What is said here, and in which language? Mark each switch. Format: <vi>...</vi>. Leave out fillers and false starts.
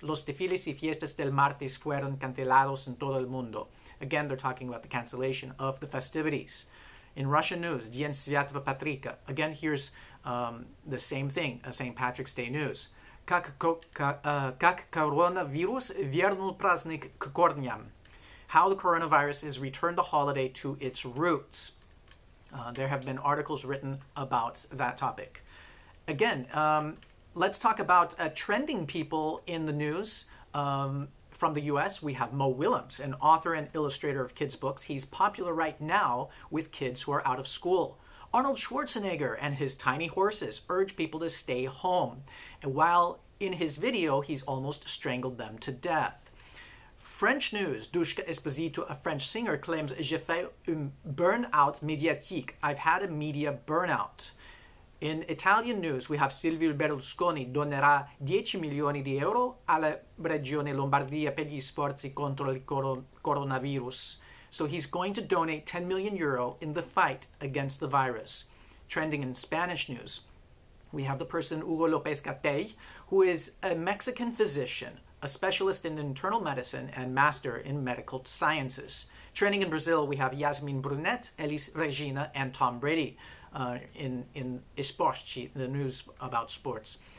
<es>Los desfiles y fiestas del martes fueron cancelados en todo el mundo.</es> <en>Again, they're talking about the cancellation of the festivities. In Russian news,</en> <ru>День святого Патрика.</ru> <en>Again, here's the same thing, St. Patrick's Day news.</en> <ru>Как коронавирус вернул праздник к корням.</ru> <en>How the coronavirus has returned the holiday to its roots. There have been articles written about that topic. Again, let's talk about trending people in the news from the U.S. We have Mo Willems, an author and illustrator of kids' books. He's popular right now with kids who are out of school. Arnold Schwarzenegger and his tiny horses urge people to stay home. And while in his video, he's almost strangled them to death. French news, Douchka Esposito, a French singer, claims,</en> <fr>j'ai fait un burnout médiatique.</fr> <en>I've had a media burnout. In Italian news, we have</en> <it>Silvio Berlusconi donerà 10 milioni di euro alla regione Lombardia per gli sforzi contro il coronavirus.</it> <en>So he's going to donate 10 million euro in the fight against the virus. Trending in Spanish news, we have the person Hugo Lopez-Gatell, who is a Mexican physician, a specialist in internal medicine and master in medical sciences. Trending in Brazil, we have Yasmin Brunet, Elis Regina, and Tom Brady in Esporte, the news about sports.</en>